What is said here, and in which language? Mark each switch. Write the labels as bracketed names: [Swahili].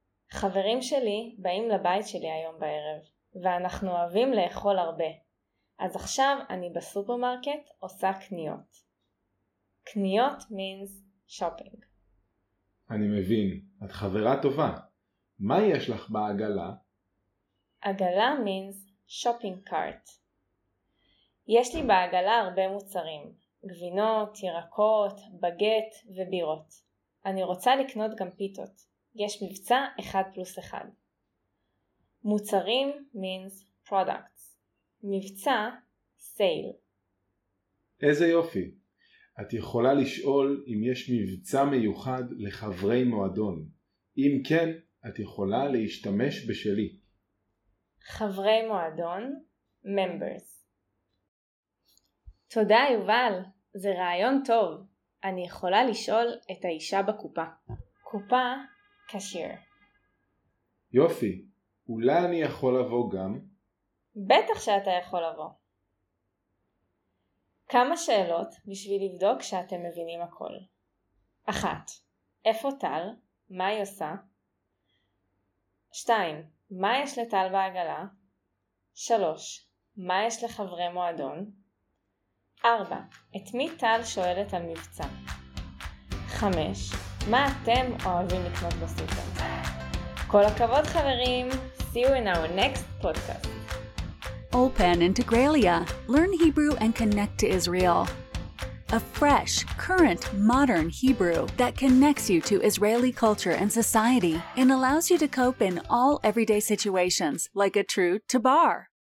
[Hebrew] חברים שלי באים לבית שלי היום בערב, ואנחנו אוהבים לאכול הרבה. אז עכשיו אני בסופרמרקט עושה קניות. [English] קניות means shopping. [Hebrew] אני מבין, את חברה טובה. מה יש לך בעגלה? [English] עגלה means shopping cart. [Hebrew] יש לי בעגלה הרבה מוצרים. גבינות, ירקות, בגט ובירות. אני רוצה לקנות גם פיתות. יש מבצע 1 פלוס 1. [English] מוצרים means product. [Hebrew] מבצע, סייל. איזה יופי. את יכולה לשאול אם יש מבצע מיוחד לחברי מועדון. אם כן, את יכולה להשתמש בשלי. חברי מועדון, members. תודה יובל, זה רעיון טוב. אני יכולה לשאול את האישה בקופה. קופה, קשיר. יופי, אולי אני יכול לבוא גם? בטח שאתה יכול לבוא. כמה שאלות בשביל לבדוק שאתם מבינים הכל. אחת, איפה טל? מה היא עושה? שתיים, מה יש לטל בעגלה? שלוש, מה יש לחברי מועדון? ארבע, את מי טל שואלת על מבצע? חמש, מה אתם אוהבים לקנות בסופר? כל הכבוד חברים! [English] See you in our next podcast. Ulpan Integraliah. Learn Hebrew and connect to Israel. A fresh, current, modern Hebrew that connects you to Israeli culture and society and allows you to cope in all everyday situations like a true tabar.